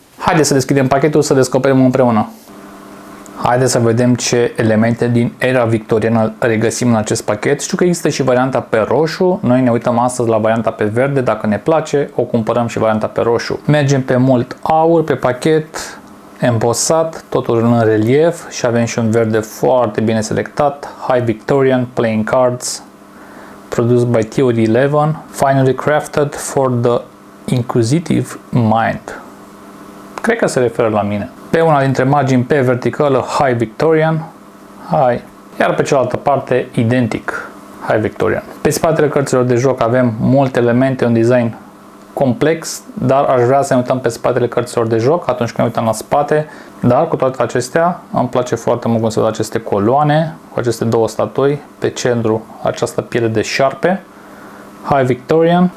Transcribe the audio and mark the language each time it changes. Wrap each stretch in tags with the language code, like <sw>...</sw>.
<ro>Haideți să deschidem pachetul să descoperim împreună. Haideți să vedem ce elemente din era victoriană regăsim în acest pachet. Știu că există și varianta pe roșu. Noi ne uităm astăzi la varianta pe verde. Dacă ne place, o cumpărăm și varianta pe roșu. Mergem pe mult aur, pe pachet, embosat, totul în relief și avem și un verde foarte bine selectat.</ro> <en>High Victorian Playing Cards, produced by Theory 11, finally crafted for the inquisitive mind.</en> <ro>Cred că se referă la mine. Pe una dintre margini, pe verticală, High Victorian, High, iar pe cealaltă parte, identic, High Victorian. Pe spatele cărților de joc avem multe elemente, un design complex, dar aș vrea să ne uităm pe spatele cărților de joc atunci când ne uităm la spate, dar cu toate acestea, îmi place foarte mult cum se văd aceste coloane, cu aceste două statui, pe centru această piele de șarpe, High Victorian.</ro>